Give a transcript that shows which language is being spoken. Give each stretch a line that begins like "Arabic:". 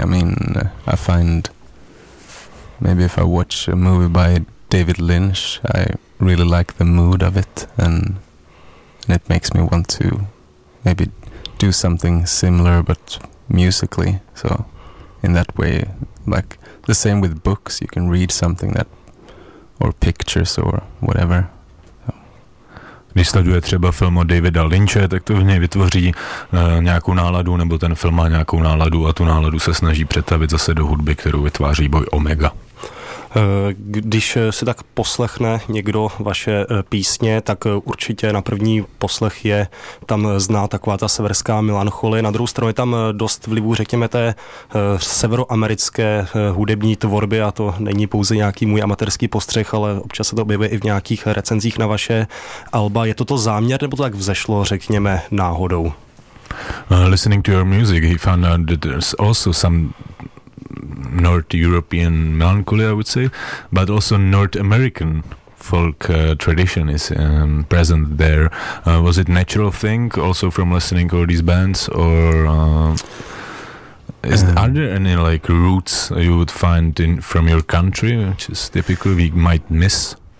English: I mean, I find maybe if I watch a movie by David Lynch, I really like the mood of it and it makes me want to maybe do something similar but musically. So in that way, like the same with books, you can read something that or pictures or whatever.
Czech: Když sleduje třeba film od Davida Lynche, tak to v něj vytvoří nějakou náladu, nebo ten film má nějakou náladu a tu náladu se snaží přetavit zase do hudby, kterou vytváří Boy Omega. Když se tak poslechne někdo vaše písně, tak určitě na první poslech je tam zná taková ta severská melancholie. Na druhou stranu je tam dost vlivů, řekněme, té severoamerické hudební tvorby, a to není pouze nějaký můj amatérský postřeh, ale občas se to objevuje i v nějakých recenzích na vaše alba. Je to záměr, nebo to tak vzešlo, řekněme, náhodou?
English: Listening to your music, he found out that there's also some North European melancholy, I would say, but also North American folk tradition is present there. Was it natural thing also from listening to all these bands, or are there any like roots you would find in from your country, which is typical we might miss?